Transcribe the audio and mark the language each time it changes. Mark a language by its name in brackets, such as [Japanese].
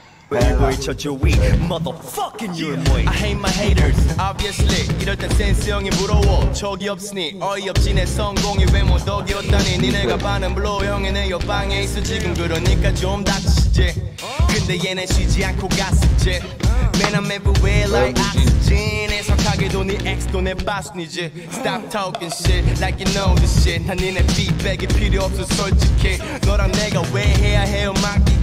[English] Motherfucking you and me. I hate my haters, obviously. [Korean] 이럴 땐 센스 형이 부러워. 적이 없으니 어이없지 내 성공이 왜 뭐 덕이었다니 니네가 반은 블로 형이 내 옆방에 있어 지금 그러니까 좀 다치지. 근데 얘네 쉬지 않고 갔었지. [English] Man, I'm everywhere like oxygen. [Korean] 애석하게도 네 ex도 내 바순이지. [English] Stop talking shit like you know this shit. [Korean] 난 니네 feedback이 필요 없어 솔직히. 너랑 내가 왜 해야 해 음악.